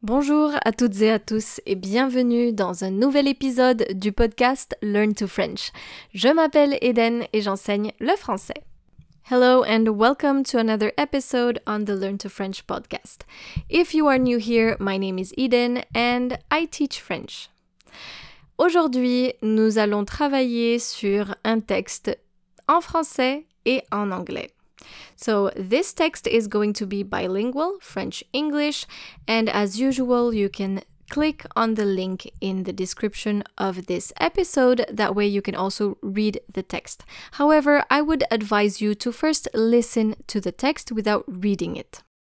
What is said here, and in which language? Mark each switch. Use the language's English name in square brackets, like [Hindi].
[French] Bonjour à toutes et à tous et bienvenue dans un nouvel épisode du podcast Learn to French. Je m'appelle Eden et j'enseigne le français. [English] Hello and welcome to another episode on the Learn to French podcast. If you are new here, my name is Eden and I teach French. [French] Aujourd'hui, nous allons travailler sur un texte en français et en anglais. [English] So, this text is going to be bilingual, French-English, and as usual, you can click on the link in the description of this episode, that way you can also read the text. However, I would advise you to first listen to the text without reading it.